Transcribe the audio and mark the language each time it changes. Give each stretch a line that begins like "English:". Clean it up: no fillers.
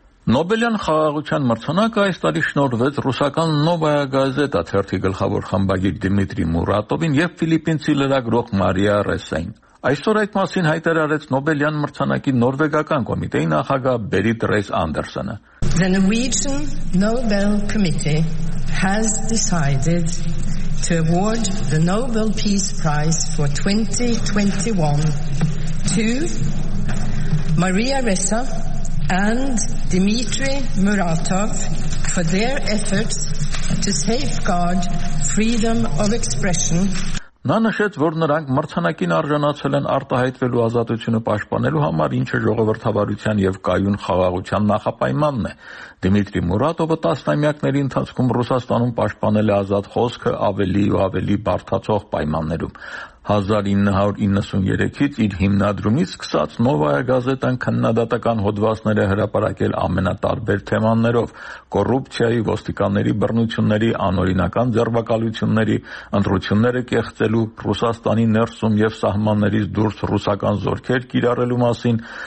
Armenian: Նոբելյան խաղաղության մրցանակը այս տարի շնորվեց ռուսական Նովայա գազետա թերթի գլխավոր խմբագիր Դմիտրի Մուրատովին և ֆիլիպինցի լրագրող Մարիա Ռեսեին։ Այսօր այդ մասին հայտարարեց Նոբելյան մրցանակի նորվեգական կոմիտեի նախագահ Բերիտ Ռես Անդերսոնը։
English: The Norwegian Nobel Committee has decided to award the Nobel Peace Prize for 2021 to Maria Ressa and Dmitry Muratov for their efforts to safeguard freedom of expression.
Armenian: Նա նշեց, որ նրանք մրցանակին արժանացել են արտահայտվելու ազատությունը պաշտպանելու համար, ինչը ժողովրդավարության և կայուն խաղաղության նախապայմանն է։ Դմիտրի Մուրատովը տասնամյակների ընթացքում Ռուսաստանում պաշտպանել է ազատ խոսքը ավելի ու ավելի բարդացող պայմաններում։ 1993-ից իր հիմնադրումից սկսած Նովայա գազետան քննադատական հոդվածներ է հրապարակել ամենատարբեր թեմաներով՝ կոռուպցիայի, ոստիկանների բռնությունների, անօրինական ձերբակալությունների, ընտրությունները կեղծելու, Ռուսաստանի ներսում և սահմաններից դուրս ռուսական զորքեր կիրառելու մասին։